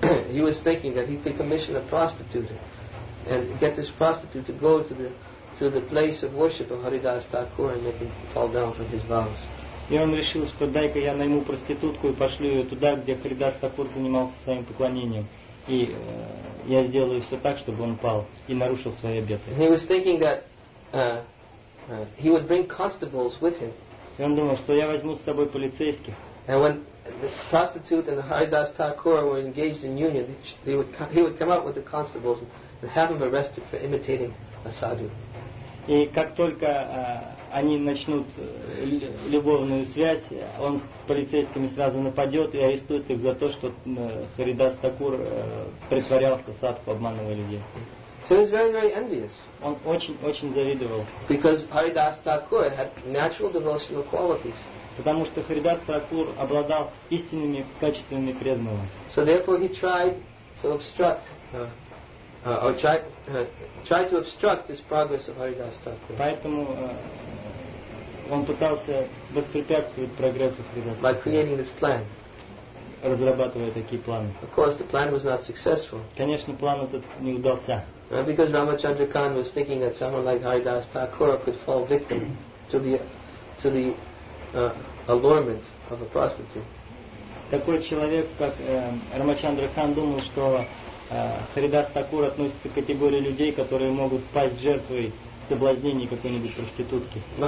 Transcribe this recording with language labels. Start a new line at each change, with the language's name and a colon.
English: He was thinking that he could commission a prostitute and get this prostitute to go to the place of worship of Haridas Thakur and make him fall down from his vows.
Russian: И он решил, что дай-ка я найму проститутку и пошлю ее туда, где Харидас Такур занимался своим поклонением. И я сделаю все так, чтобы он пал и нарушил свои обеты.
English: He was thinking that he would bring constables with him.
Russian: И он думал, что я возьму с собой полицейских.
English: And when the prostitute and the Haridas Thakur were engaged in union, he would come out with the constables and have them arrested for imitating a sadhu.
Russian: И как только они начнут любовную связь, он с полицейскими сразу нападет и арестует их за то, что Харидас Такур притворялся садху, обманывая людей.
English: So he was very, very envious.
Russian: Он очень-очень завидовал.
English: Because Haridas Thakur had natural devotional qualities.
Russian: Потому что Харидас Такур обладал истинными качествами преданного.
English: So therefore he tried to obstruct try to obstruct this progress of Haridas Thakur.
Russian: Поэтому он пытался воспрепятствовать прогрессу Харидас
English: Такур. By creating this plan.
Russian: Разрабатывая такие планы.
English: Of course, the plan was not successful.
Russian: Конечно, план этот не удался.
English: Because Ramachandra Khan was thinking that someone like Haridas Thakur could fall victim to the allurement of a prostitute.
Russian: Такой человек, как Рамачандра Хан, думал, что Харидас Такур относится к категории людей, которые могут пасть жертвой соблазнений какой-нибудь проститутки.